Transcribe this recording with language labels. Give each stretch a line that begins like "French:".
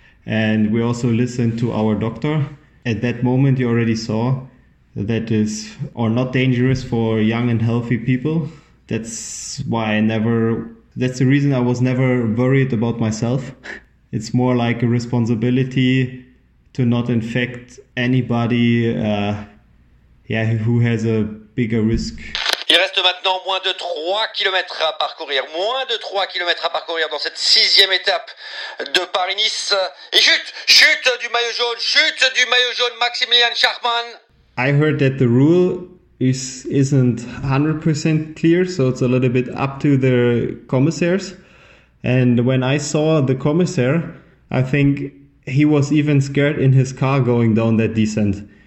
English: And we also listened to our doctor. At that moment, you already saw that is or not dangerous for young and healthy people. That's the reason I was never worried about myself. It's more like a responsibility to not infect anybody who has a bigger risk.
French: Il reste maintenant moins de 3 km à parcourir. Moins de 3 km à parcourir dans cette sixième étape de Paris-Nice. Et chute! Chute du maillot jaune! Chute du maillot jaune, Maximilian Schachmann!
English: I heard that the rule isn't 100% clear, so it's a little bit up to the commissaires. And when I saw the commissaire, I think he was even scared in his car going down that descent.